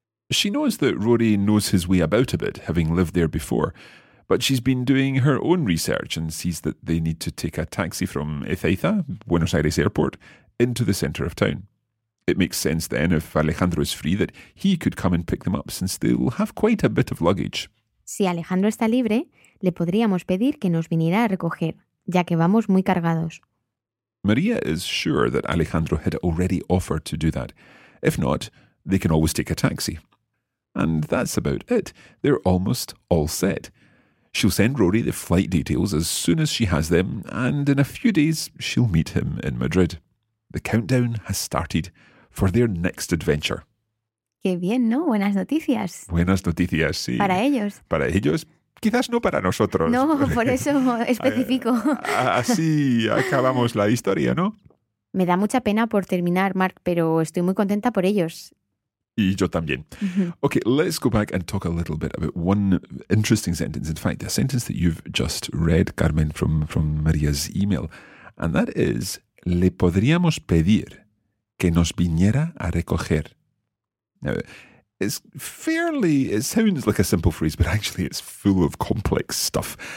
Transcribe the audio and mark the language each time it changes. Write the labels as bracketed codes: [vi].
[en] She knows that Rory knows his way about a bit, having lived there before, but she's been doing her own research and sees that they need to take a taxi from Ezeiza, Buenos Aires Airport, into the centre of town. It makes sense then, if Alejandro is free, that he could come and pick them up since they'll have quite a bit of luggage. [es] Si Alejandro está libre, le podríamos pedir que nos viniera a recoger, ya que vamos muy cargados. [en] Maria is sure that Alejandro had already offered to do that. If not, they can always take a taxi. And that's about it. They're almost all set. She'll send Rory the flight details as soon as she has them, and in a few days she'll meet him in Madrid. The countdown has started for their next adventure. [es] Qué bien, ¿no? Buenas noticias. Buenas noticias, sí. Para ellos. Para ellos. Quizás no para nosotros. No, por eso especifico. Así acabamos la historia, ¿no? Me da mucha pena por terminar, Mark, pero estoy muy contenta por ellos. Y yo también. [en] Okay, let's go back and talk a little bit about one interesting sentence. In fact, a sentence that you've just read, Carmen, from Maria's email. And that is, [es] le podríamos pedir que nos viniera a recoger. [en] Now, it sounds like a simple phrase, but actually it's full of complex stuff.